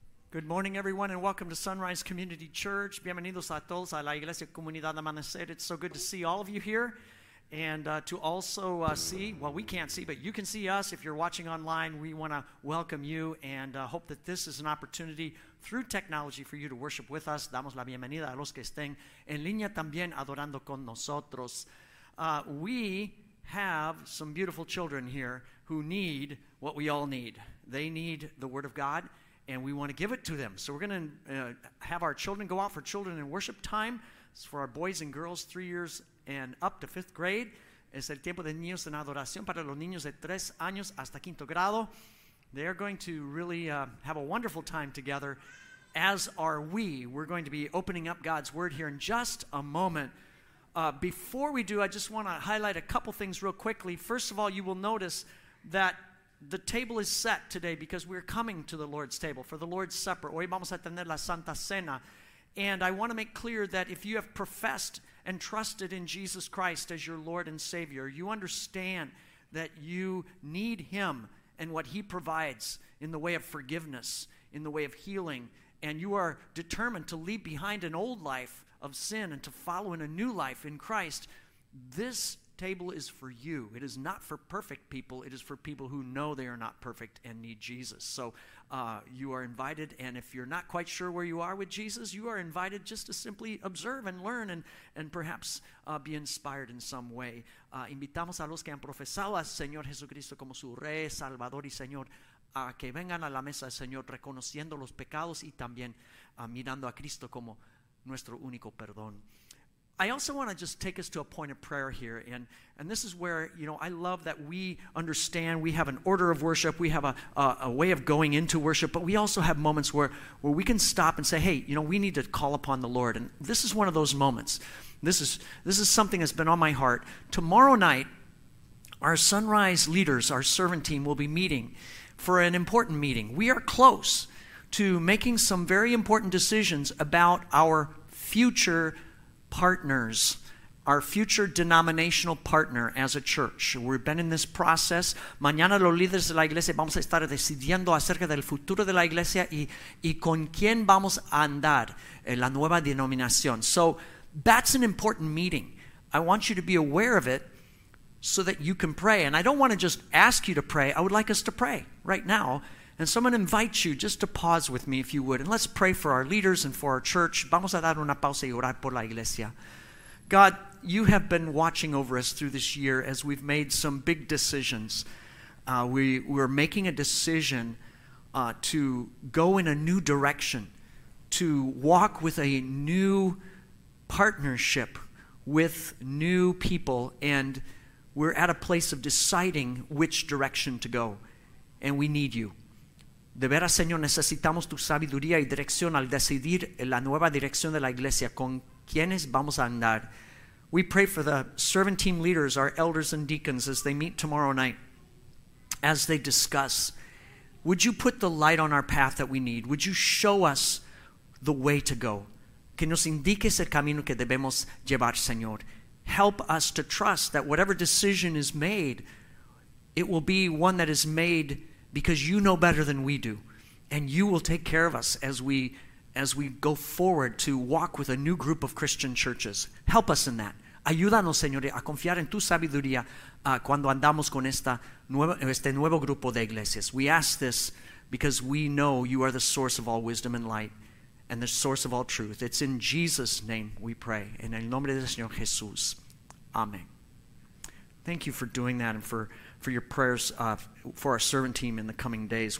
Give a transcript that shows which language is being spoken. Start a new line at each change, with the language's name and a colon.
English: Good morning, everyone, and welcome to Sunrise Community Church.
Spanish: Bienvenidos a todos a la Iglesia Comunidad Amanecer.
English: It's so good to see all of you here and to also see, well, we can't see, but you can see us. If you're watching online, we want to welcome you and hope that this is an opportunity through technology for you to worship with us.
Spanish: Damos la bienvenida a los que estén en línea también adorando con nosotros.
English: We have some beautiful children here who need what we all need. They need the Word of God. And we want to give it to them. So we're going to have our children go out for children in worship time. It's for our boys and girls, 3 years and up to fifth grade.
Spanish: Es el tiempo de niños en adoración para los niños de tres años hasta quinto grado.
English: They're going to really have a wonderful time together, as are we. We're going to be opening up God's Word here in just a moment. Before we do, I just want to highlight a couple things real quickly. First of all, you will notice that the table is set today because we're coming to the Lord's table for the Lord's Supper.
Spanish: Hoy vamos a tener la Santa Cena.
English: And I want to make clear that if you have professed and trusted in Jesus Christ as your Lord and Savior, you understand that you need Him and what He provides in the way of forgiveness, in the way of healing, and you are determined to leave behind an old life of sin and to follow in a new life in Christ. This table is for you. It is not for perfect people. It is for people who know they are not perfect and need Jesus. So you are invited, and if you're not quite sure where you are with Jesus, you are invited just to simply observe and learn and perhaps be inspired in some way.
Spanish: Invitamos a los que han profesado al Señor Jesucristo como su Rey, Salvador y Señor a que vengan a la mesa del Señor reconociendo los pecados y también mirando a Cristo como nuestro único perdón.
English: I also want to just take us to a point of prayer here, and this is where, you know, I love that we understand we have an order of worship, we have a way of going into worship, but we also have moments where we can stop and say, hey, you know, we need to call upon the Lord, and this is one of those moments. This is something that's been on my heart. Tomorrow night, our Sunrise leaders, our servant team, will be meeting for an important meeting. We are close to making some very important decisions about our future partners, our future denominational partner as a church. We've been in this process.
Spanish: Mañana los líderes de la iglesia vamos a estar decidiendo acerca del futuro de la iglesia y con quién vamos a andar en la nueva denominación.
English: So that's an important meeting. I want you to be aware of it so that you can pray. And I don't want to just ask you to pray. I would like us to pray right now. And so I'm going to invite you just to pause with me, if you would. And let's pray for our leaders and for our church.
Spanish: Vamos a dar una pausa y orar por la iglesia.
English: God, you have been watching over us through this year as we've made some big decisions. We're making a decision to go in a new direction, to walk with a new partnership with new people. And we're at a place of deciding which direction to go. And we need you.
Spanish: De veras, Señor, necesitamos tu sabiduría y dirección al decidir la nueva dirección de la iglesia, con quienes vamos a andar.
English: We pray for the servant team leaders, our elders and deacons, as they meet tomorrow night, as they discuss. Would you put the light on our path that we need? Would you show us the way to go?
Spanish: Que nos indiques el camino que debemos llevar, Señor.
English: Help us to trust that whatever decision is made, it will be one that is made because you know better than we do, and you will take care of us as we go forward to walk with a new group of Christian churches. Help us in that.
Spanish: Ayúdanos, Señor, a confiar en tu sabiduría cuando andamos con este nuevo grupo de iglesias.
English: We ask this because we know you are the source of all wisdom and light and the source of all truth. It's in Jesus' name we pray.
Spanish: En el nombre del Señor Jesús.
English: Amen. Thank you for doing that and for your prayers for our servant team in the coming days.